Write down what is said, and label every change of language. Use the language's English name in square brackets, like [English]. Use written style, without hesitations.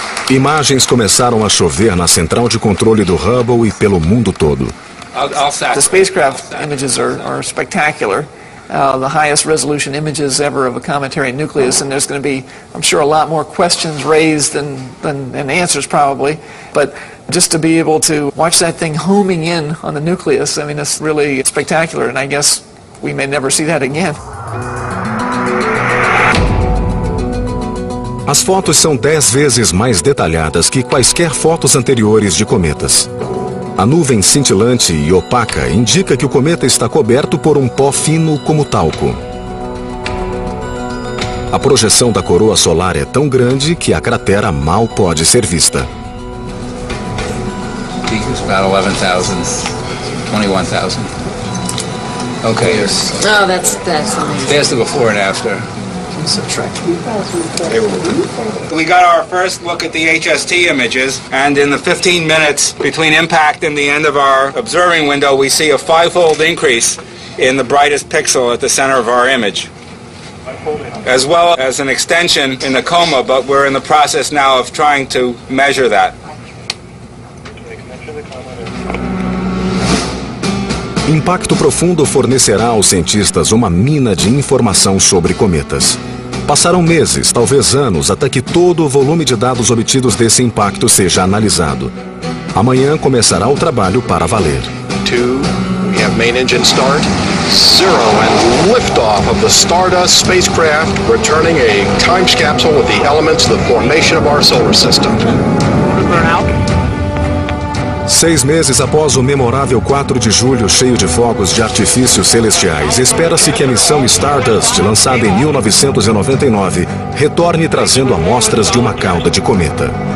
[Portuguese] Imagens começaram a chover na central de controle do Hubble e pelo mundo todo. [English] The spacecraft images are spectacular. the highest resolution images ever of a cometary nucleus, and there's going to be, I'm sure, a lot more questions raised than answers probably. But just to be able to watch that thing homing in on the nucleus, I mean, it's really spectacular, and I guess we may never see that again. [Portuguese] As fotos são 10 vezes mais detalhadas que quaisquer fotos anteriores de cometas. A nuvem cintilante e opaca indica que o cometa está coberto por um pó fino como talco. A projeção da coroa solar é tão grande que a cratera mal pode ser vista. [English] Okay, here's... Oh, that's amazing. There's the before and after. We got our first look at the HST images, and in the 15 minutes between impact and the end of our observing window, we see a fivefold increase in the brightest pixel at the center of our image, as well as an extension in the coma, but we're in the process now of trying to measure that. [Portuguese] Impacto profundo fornecerá aos cientistas uma mina de informação sobre cometas. Passarão meses, talvez anos, até que todo o volume de dados obtidos desse impacto seja analisado. Amanhã começará o trabalho para valer. [English] 2, we have main engine start. 0, and liftoff of the Stardust spacecraft, returning a time capsule with the elements of the formation of our solar system. Burnout. [Portuguese] 6 meses após o memorável 4 de julho cheio de fogos de artifícios celestiais, espera-se que a missão Stardust, lançada em 1999, retorne trazendo amostras de uma cauda de cometa.